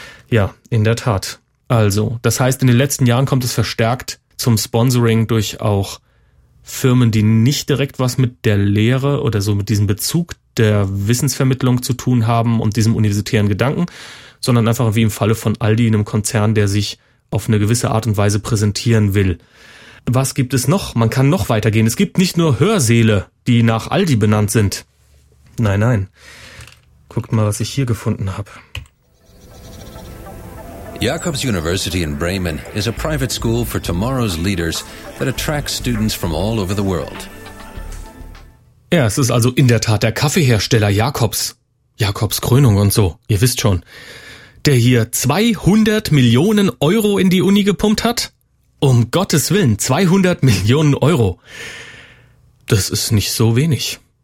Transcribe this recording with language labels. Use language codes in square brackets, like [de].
[de] Ja, in der Tat. Also, das heißt, in den letzten Jahren kommt es verstärkt zum Sponsoring durch auch Firmen, die nicht direkt was mit der Lehre oder so mit diesem Bezug der Wissensvermittlung zu tun haben und diesem universitären Gedanken, sondern einfach wie im Falle von Aldi, einem Konzern, der sich auf eine gewisse Art und Weise präsentieren will. Was gibt es noch? Man kann noch weitergehen. Es gibt nicht nur Hörsäle, die nach Aldi benannt sind. Nein, nein. Guckt mal, was ich hier gefunden habe. [en] Jacobs University in Bremen is a private school for tomorrow's leaders that attracts students from all over the world. [de] Ja, es ist also in der Tat der Kaffeehersteller Jacobs. Jacobs Krönung und so, ihr wisst schon. Der hier 200 Millionen Euro in die Uni gepumpt hat? Um Gottes Willen, 200 Millionen Euro. Das ist nicht so wenig.